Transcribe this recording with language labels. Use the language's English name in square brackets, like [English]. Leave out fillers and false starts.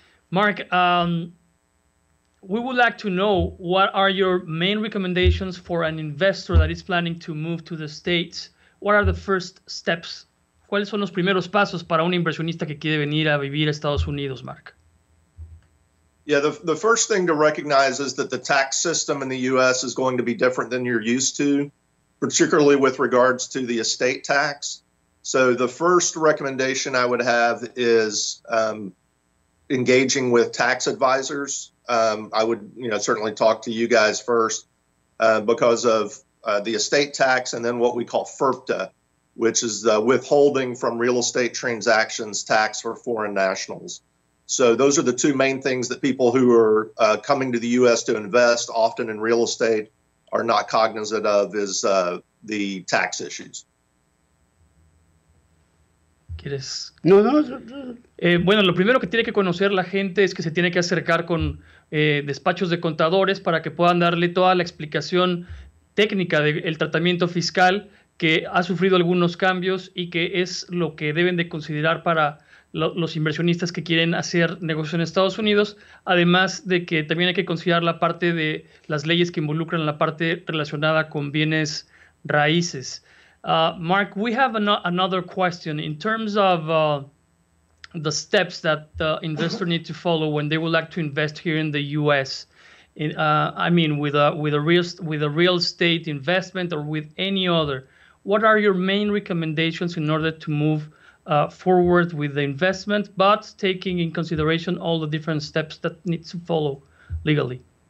[English] Mark, we would like to know, what are your main recommendations for an investor that is planning to move to the States? What are the first steps? [Spanish] ¿Cuáles son los primeros pasos para un inversionista que quiere venir a vivir a Estados Unidos, Mark? [English] Yeah, the first thing to recognize is that the tax system in the U.S. is going to be different than you're used to, particularly with regards to the estate tax. So the first recommendation I would have is engaging with tax advisors. I would, you know, certainly talk to you guys first because of the estate tax and then what we call FIRPTA, which is the withholding from real estate transactions tax for foreign nationals. So those are the two main things that people who are coming to the U.S. to invest, often in real estate, are not cognizant of, is the tax issues. [Spanish] ¿Quieres? No. Bueno, lo primero que tiene que conocer la gente es que se tiene que acercar con despachos de contadores para que puedan darle toda la explicación técnica del tratamiento fiscal, que ha sufrido algunos cambios y que es lo que deben de considerar para los inversionistas que quieren hacer negocios en Estados Unidos, además de que también hay que considerar la parte de las leyes que involucran la parte relacionada con bienes raíces. [English] Mark, we have another question. In terms of the steps that the investor need to follow when they would like to invest here in the U.S., with a real estate investment or with any other, what are your main recommendations in order to move forward with the investment, but taking in consideration all the different steps that need to follow legally?